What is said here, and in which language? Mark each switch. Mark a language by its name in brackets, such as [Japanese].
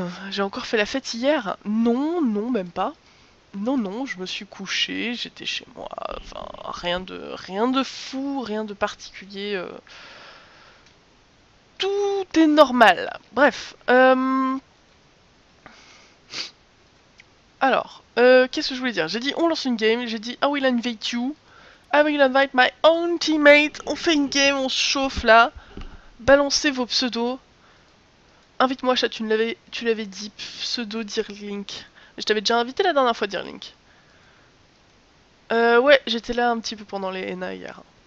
[French] J'ai encore fait la fête hier. Non, non, même pas. Non, non, je me suis couché, j'étais chez moi. Enfin, rien de fou, rien de particulier. Tout est normal. Bref. Alors, qu'est-ce que je voulais dire? J'ai dit, on lance une game. J'ai dit, [English] I will invite you. I will invite my own teammate. [French] On fait une game, on se chauffe là. Balancez vos pseudos. Invite-moi, chat, tu l'avais dit, pseudo, dire Link. Je t'avais déjà invité la dernière fois, dear Link. Ouais, j'étais là un petit peu pendant les NA hier.